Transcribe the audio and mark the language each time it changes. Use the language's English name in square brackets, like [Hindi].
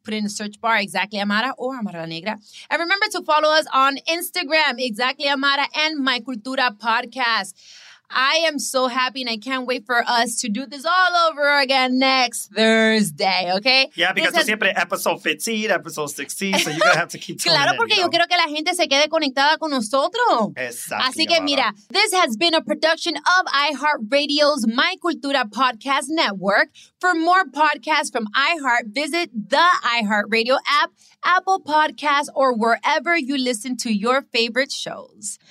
[English] Put in the search bar, Exactly Amara or Amara La Negra. And remember to follow us on Instagram, Exactly Amara and My Cultura Podcast. I am so happy and I can't wait for us to do this all over again next Thursday, okay? Yeah, because it's [Spanish] siempre [English] episode 15, episode 16, so you're going to have to keep tuning [Spanish] claro, porque [English] in, [Spanish] yo quiero que la gente se quede conectada con nosotros. [English] Exactly. [Spanish] Así que mira, [English] this has been a production of iHeartRadio's My Cultura Podcast Network. For more podcasts from iHeart, visit the iHeartRadio app, Apple Podcasts, or wherever you listen to your favorite shows.